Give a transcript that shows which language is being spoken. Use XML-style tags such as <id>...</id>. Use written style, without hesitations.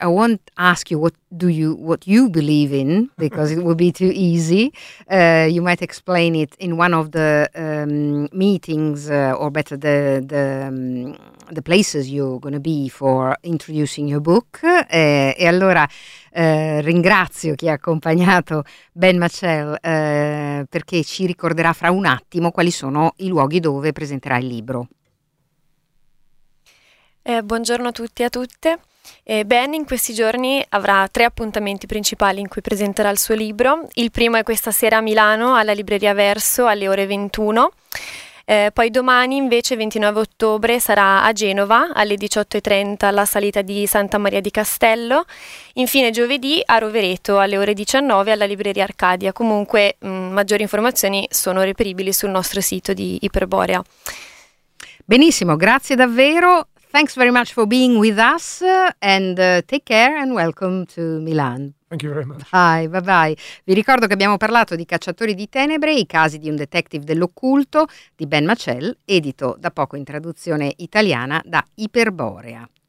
<en>I won't ask you what you believe in, because it would be too easy. You might explain it in one of the meetings, or better, the places you're going to be for introducing your book.</en> <it>E allora ringrazio chi ha accompagnato Ben Machel, perché ci ricorderà fra un attimo quali sono i luoghi dove presenterà il libro. Buongiorno a tutti e a tutte. Ben in questi giorni avrà tre appuntamenti principali in cui presenterà il suo libro. Il primo è questa sera a Milano, alla libreria Verso, alle ore 21. Poi domani invece, 29 ottobre, sarà a Genova alle 18.30 la salita di Santa Maria di Castello. Infine giovedì a Rovereto alle ore 19 alla libreria Arcadia. Comunque maggiori informazioni sono reperibili sul nostro sito di Iperborea. Benissimo, grazie davvero.</it> <en>Thanks very much for being with us and take care and welcome to Milan. Thank you very much. Bye, bye bye.</en> <it>Vi ricordo che abbiamo parlato di Cacciatori di Tenebre, i casi di un detective dell'occulto di Ben Machel, edito da poco in traduzione italiana da Iperborea.</it>